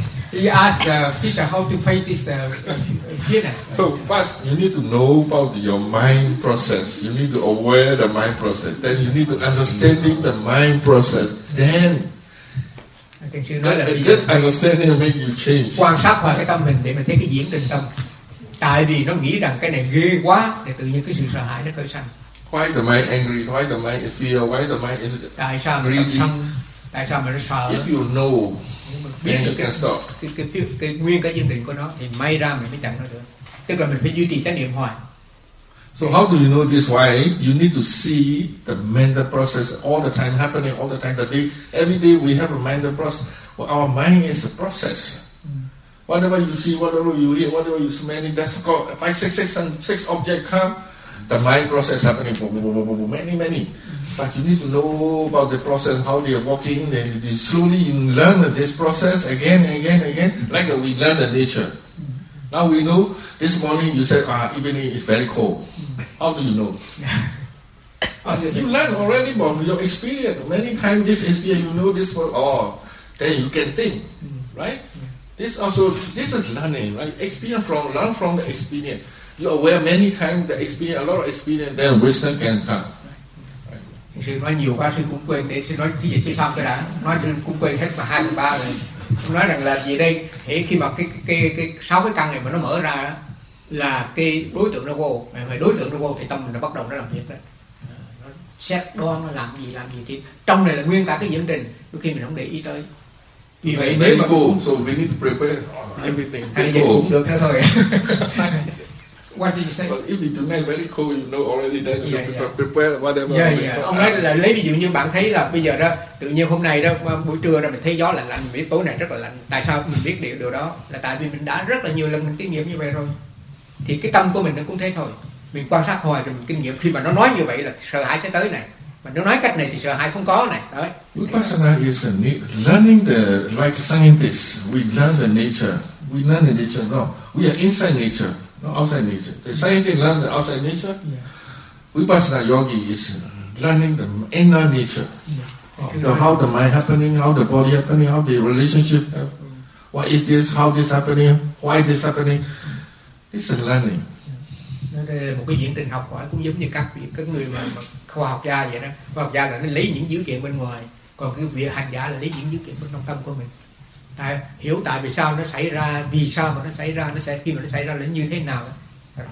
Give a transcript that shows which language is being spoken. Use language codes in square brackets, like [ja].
[en] He asked Fisher how to fight this fearless. So first, you need to know about your mind process. You need to aware the mind process. Then you need to understanding the mind process. Then [vi] Thiền sư nói là bây giờ [en] understanding make you change. [vi] Quan sát vào cái tâm mình để mà thấy cái diễn tình tâm. Tại vì nó nghĩ rằng cái này ghê quá, thì tự nhiên cái sự sợ hãi nó khởi sanh. [en] Why the mind angry? Why the mind is fear? Why the mind is greedy? [vi] Tại sao mình sân? Tại sao mình sợ? [en] If you know, then you can stop. [vi] Cái nguyên cái diễn tình của nó thì may ra mình mới chặn nó được. Tức là mình phải duy trì trách nhiệm hoài. [en] So how do you know this? Why you need to see the mental process all the time happening all the time. The day, every day we have a mental process. Well, our mind is a process. Whatever you see, whatever you hear, whatever you smell, that's called five, six objects come. The mind process happening many. But you need to know about the process, how they are walking. Then you slowly learn this process again, like we learn the nature. Now we know. This morning you said evening is very cold. How do you know? You learn already from your experience. Many times this experience, you know this for all. Then you can think, right? Yeah. This is learning, right? Learn from the experience. You are aware many times the experience, a lot of experience, then wisdom can come. [vi] Sư nói nhiều quá, sư cũng quên. Để sư nói cái gì chưa xong cái đã. Nói sư cũng quên hết mà 2-3 rồi. Sư nói rằng là gì đây? Thì khi mà cái 6 cái căn này mà nó mở ra đó, là cái đối tượng nó vô. Mà đối tượng nó vô thì tâm mình nó bắt đầu nó làm việc đó. Nó xét đoan, nó làm gì thì trong này là nguyên cả cái diễn trình. Đôi khi mình không để ý tới. Vì vậy nếu mà [en] so we need to prepare everything [vi] được nữa thôi. [en] What did you say? But if it's made very cold, you know already that you prepare whatever. [vi] Ông nói là lấy ví dụ như bạn thấy là bây giờ đó, tự nhiên hôm nay đó, buổi trưa đó mình thấy gió lạnh, mình biết tối này rất là lạnh. Tại sao mình biết điều đó? Là tại vì mình đã rất là nhiều lần mình kinh nghiệm như vậy rồi. Thì cái tâm của mình nó cũng thế thôi. Mình quan sát hoài rồi mình kinh nghiệm. Khi mà nó nói như vậy là sợ hãi sẽ tới này. Mà nó nói cách này thì sợ hãi không có này. Đấy. [en] Vipassana is learning the, like scientists, we learn the nature. We learn the nature, no. We are inside nature. No, outside nature. The scientist learn the outside nature. Yeah. Vipassana yogi is learning the inner nature. Yeah. Oh, how the mind happening, how the body happening, how the relationship happening. What is this, how this happening, why this happening. It's a learning. Yeah. [vi] Đây là một cái diễn trình học hỏi cũng giống như các người mà khoa học gia vậy đó. Khoa học gia là nó lấy những dữ kiện bên ngoài. Còn cái vị hành giả là lấy những dữ kiện bên trong tâm của mình. Tại hiểu tại vì sao nó xảy ra, vì sao mà nó xảy ra, nó sẽ khi mà nó xảy ra là như thế nào đó.